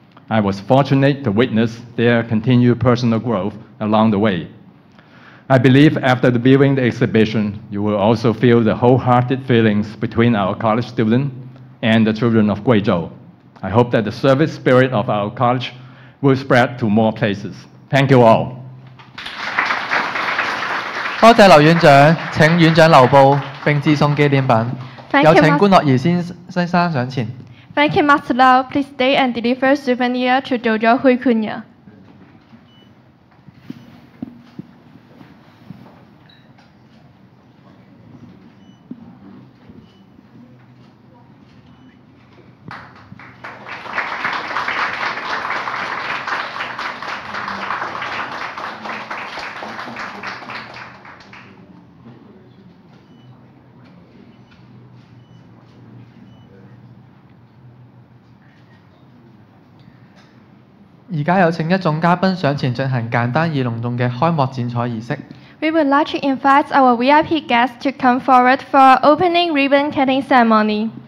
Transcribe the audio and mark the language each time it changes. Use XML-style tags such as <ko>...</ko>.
<en>I was fortunate to witness their continued personal growth along the way. I believe after viewing the exhibition, you will also feel the wholehearted feelings between our college student. And the children of Guizhou. I hope that the service spirit of our college will spread to more places. Thank you all.</en> <yue>多謝劉院長，請院長留步並致送紀念品。有請官樂儀先生上前。</yue> <en>Thank you, Master Lau. Please stay and deliver souvenir to Dojo Hui Kunya.</en> <yue>現在有請一眾嘉賓上前進行簡單而隆重的開幕剪彩儀式。</yue> <en>We would like to invite our VIP guests to come forward for our opening ribbon cutting ceremony.</en>